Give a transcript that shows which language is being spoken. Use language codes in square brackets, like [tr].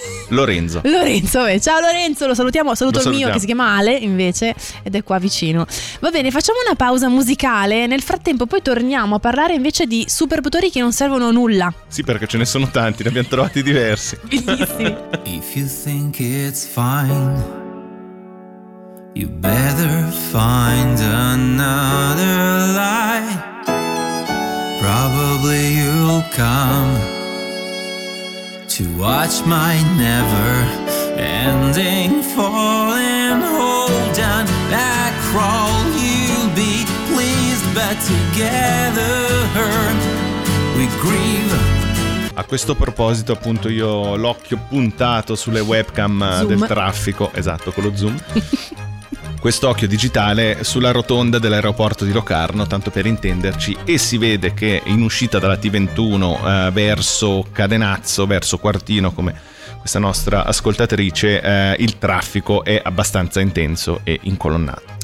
[it] Lorenzo. Lorenzo, ciao Lorenzo, lo salutiamo. Saluto lo salutiamo. Mio che si chiama Ale invece ed è qua vicino. Va bene, facciamo una pausa musicale. Nel frattempo poi torniamo a parlare invece di superpotori che non servono a nulla. Sì, perché ce ne sono tanti, ne abbiamo trovati diversi. Bellissimi. [en] If you think it's fine, you better find another lie. Probably you'll come to watch my never-ending falling. Hold down that crawl, you'll be pleased, but together we grieve. [it] A questo proposito, appunto, io ho l'occhio puntato sulle webcam zoom. Del traffico, esatto, con lo zoom. Quest'occhio digitale sulla rotonda dell'aeroporto di Locarno, tanto per intenderci, e si vede che in uscita dalla T21 verso Cadenazzo, verso Quartino, come questa nostra ascoltatrice, il traffico è abbastanza intenso e incolonnato.